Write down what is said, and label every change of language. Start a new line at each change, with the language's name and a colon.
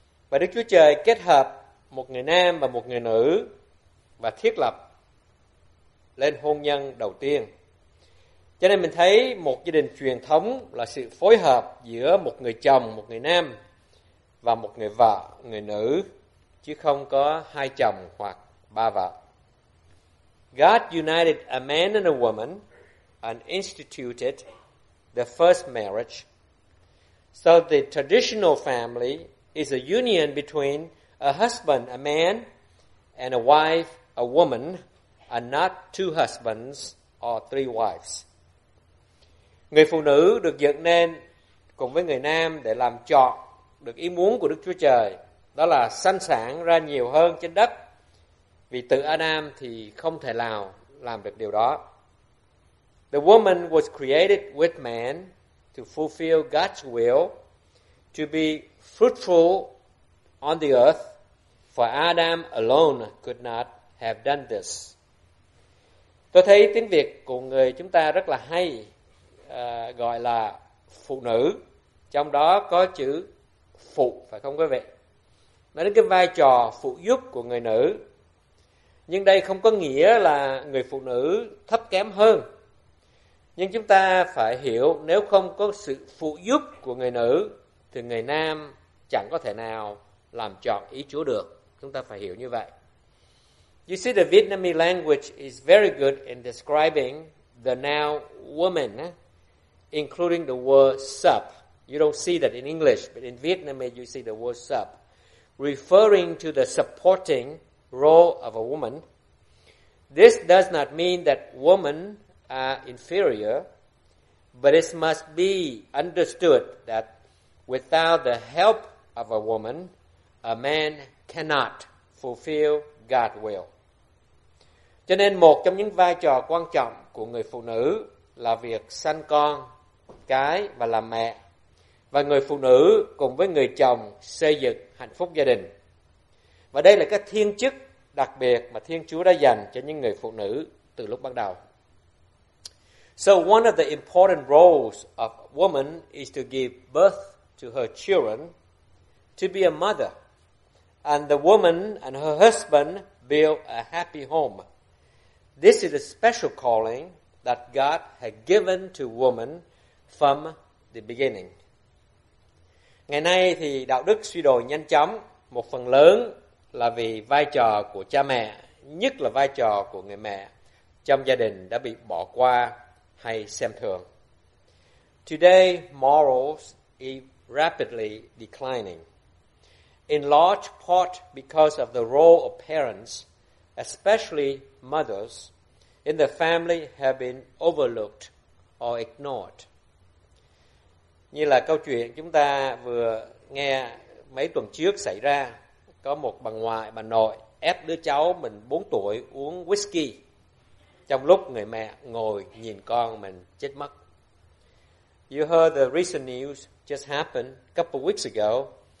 Vietnamese: Và Đức Chúa Trời kết hợp một người nam và một người nữ và thiết lập lên hôn nhân đầu tiên. Cho nên mình thấy một gia đình truyền thống là sự phối hợp giữa một người chồng, một người nam, và một người vợ, người nữ, chứ không có hai chồng hoặc ba vợ.
English: God united a man and a woman and instituted the first marriage. So the traditional family is a union between a husband, a man, and a wife, a woman, and not two husbands or three wives.
Vietnamese: Người phụ nữ được dựng nên cùng với người nam để làm trọn được ý muốn của Đức Chúa Trời, đó là sanh sản ra nhiều hơn trên đất, vì tự Adam thì không thể nào làm được điều đó.
English: The woman was created with man to fulfill God's will to be fruitful on the earth, for Adam alone could not have done this.
Vietnamese: Tôi thấy tiếng Việt của người chúng ta rất là hay, gọi là phụ nữ, trong đó có chữ phụ, phải không quý vị? Nói đến cái vai trò phụ giúp của người nữ. Nhưng đây không có nghĩa là người phụ nữ thấp kém hơn. Nhưng chúng ta phải hiểu, nếu không có sự phụ giúp của người nữ thì người nam chẳng có thể nào làm trọn ý Chúa được. Chúng ta phải hiểu như vậy.
English: You see, the Vietnamese language is very good in describing the noun woman, including the word sub. You don't see that in English, but in Vietnamese you see the word sub, referring to the supporting role of a woman. This does not mean that women are inferior, but it must be understood that without the help of a woman, a man cannot fulfill God's will.
Vietnamese: Cho nên một trong những vai trò quan trọng của người phụ nữ là việc sanh con cái và làm mẹ, và người phụ nữ cùng với người chồng xây dựng hạnh phúc gia đình. Và đây là cái thiên chức đặc biệt mà Thiên Chúa đã dành cho những người phụ nữ từ lúc bắt đầu.
English: So one of the important roles of a woman is to give birth to her children, to be a mother. And the woman and her husband build a happy home. This is a special calling that God had given to woman from the beginning.
Vietnamese: Ngày nay thì đạo đức suy đồi nhanh chóng, một phần lớn là vì vai trò của cha mẹ, nhất là vai trò của người mẹ trong gia đình đã bị bỏ qua hay xem thường.
English: Today, morals is rapidly declining. In large part because of the role of parents, especially mothers, in the family have been overlooked or ignored.
Vietnamese: Như là câu chuyện chúng ta vừa nghe mấy tuần trước xảy ra, có một bà ngoại, bà nội ép đứa cháu mình 4 tuổi uống whisky trong lúc người mẹ ngồi nhìn con mình chết mất.
English: You heard the recent news just happened a couple weeks ago.